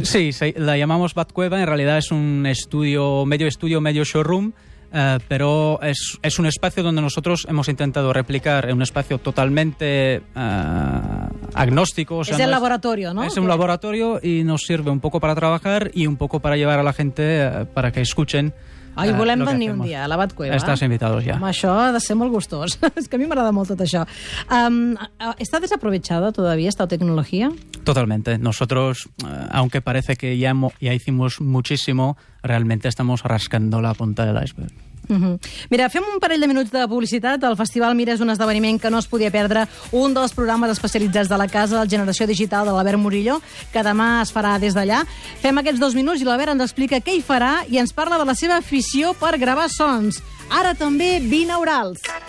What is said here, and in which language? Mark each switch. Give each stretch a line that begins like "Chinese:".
Spanish: Sí, sí, la llamamos Batcueva, en realidad es un estudio, medio showroom, pero es un espacio donde nosotros hemos intentado replicar en un espacio totalmente agnóstico. O sea, es el laboratorio, ¿no? Es un laboratorio y nos sirve un poco para trabajar y un poco para llevar a la gente para que escuchen.
Catalan: Ai, volem venir un dia a la Batcueva. Estàs invitat ja. Home, això ha de ser molt gustós. És que a mi m'agrada molt tot això.
Spanish: ¿Está desaprovechada todavía esta tecnología? Totalmente. Nosotros, aunque parece que ya hicimos muchísimo, realmente estamos rascando la punta de l'iceberg.
Catalan: Mira, fem un parell de minuts de publicitat. El Festival Mira és un esdeveniment que no es podia perdre, un dels programes especialitzats de la casa, la Generació Digital de l'Albert Murillo, que demà es farà des d'allà. Fem aquests dos minuts i l'Albert ens explica què hi farà i ens parla de la seva afició per gravar sons. Ara també binaurals.